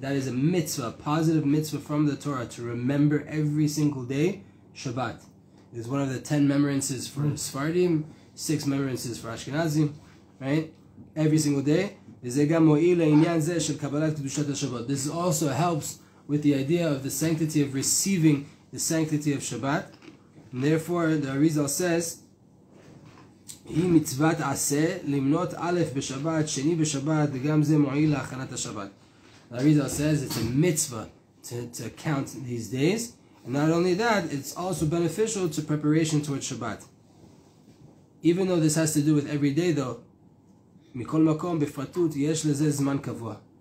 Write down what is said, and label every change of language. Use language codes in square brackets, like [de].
[en] That is a mitzvah, a positive mitzvah from the Torah, to remember every single day Shabbat. It's one of the 10 remembrances for Sephardim, 6 remembrances for Ashkenazim, right? Every single day. This also helps with the idea of the sanctity of receiving the sanctity of Shabbat. And therefore, the Arizal says, [he] היא מצוות עשה למנות א' בשבת, שני בשבת, וגם זה מועיל להכנת השבת. [en] The Arizal says it's a mitzvah to count these days. And not only that, it's also beneficial to preparation towards Shabbat. Even though this has to do with every day though, [he] מכל מקום בפרטות יש לזה זמן קבוע.